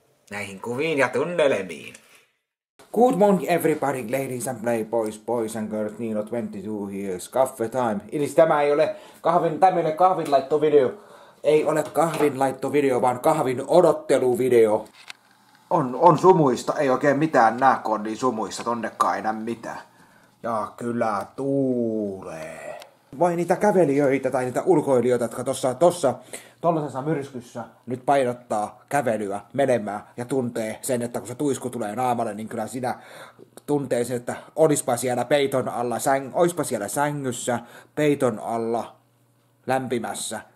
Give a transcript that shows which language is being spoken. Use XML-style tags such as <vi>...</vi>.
<fi>Näihin kuviin ja tunnelemiin.</fi> <en>Good morning everybody, ladies and playboys, boys and girls, Nino 22 years, cafe time.</en> <fi>Eli tämä ei ole kahvinlaittovideo. Ei ole kahvinlaittovideo, vaan kahvin odotteluvideo. On sumuista, ei oikein mitään nää, kun on niin sumuista, tonnekaan enää mitään. Ja kyllä tuulee. Vai niitä kävelijöitä tai niitä ulkoilijoita, jotka tossa tollasessa myrskyssä nyt painottaa kävelyä menemään ja tuntee sen, että kun se tuisku tulee naamalle, niin kyllä sinä tuntee sen, että olispa siellä peiton alla, olispa siellä sängyssä, peiton alla, lämpimässä.</fi>